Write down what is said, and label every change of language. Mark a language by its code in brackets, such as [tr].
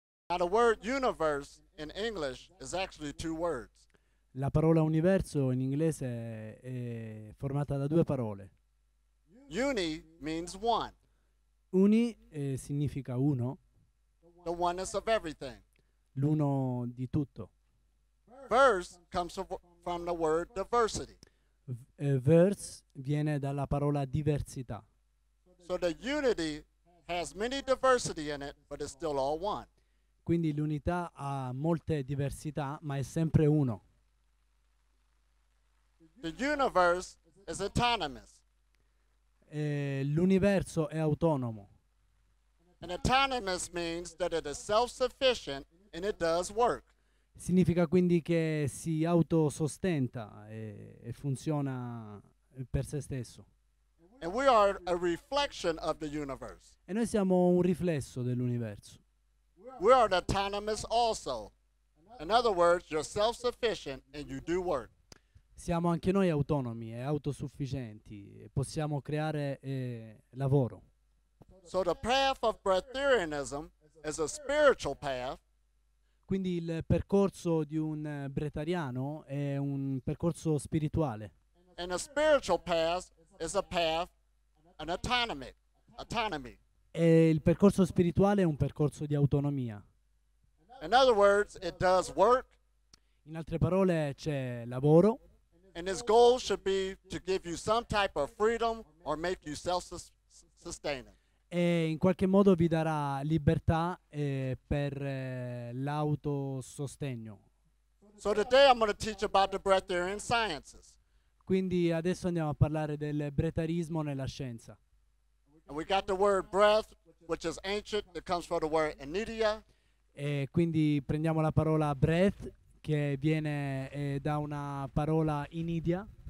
[en] Now the word universe in English is actually two words. [it] La parola universo in inglese è formata da due parole. [en] Uni means one. [it] Uni significa uno. [en] The oneness of everything. [it] L'uno di tutto. [en] Verse comes from the word diversity. [it] Verse viene dalla parola diversità. [en] So the unity has many diversity in it, but it's still all one. [it] Quindi l'unità ha molte diversità, ma è sempre uno. [en] The universe is autonomous. [it] L'universo è autonomo. [en] And autonomous means that it is self-sufficient and it does work. [it] Significa quindi che si autosostenta e funziona per se stesso. [en] And we are a reflection of the universe. [it] E noi siamo un riflesso dell'universo. [en] We are autonomous also. In other words, you're self-sufficient and you do work. [it] Siamo anche noi autonomi e autosufficienti, possiamo creare lavoro. [en] So the path of Bretarianism is a spiritual path. [it] Quindi il percorso di un bretariano è un percorso spirituale. [en] And a spiritual path is a path, an autonomy. [it] E il percorso spirituale è un percorso di autonomia. [en] In other words, it does work. [it] In altre parole, c'è lavoro. [en] And his goal should be to give you some type of freedom or make you self-sustaining. [it] E in qualche modo vi darà libertà per l'autosostegno. [en] So today I'm going to teach about the Bretarian sciences. [it] Quindi adesso andiamo a parlare del bretarismo nella scienza. [en] And we got the word breath, which is ancient, that comes from the word anidia. [it] E quindi prendiamo la parola breath, che viene da una parola inidia.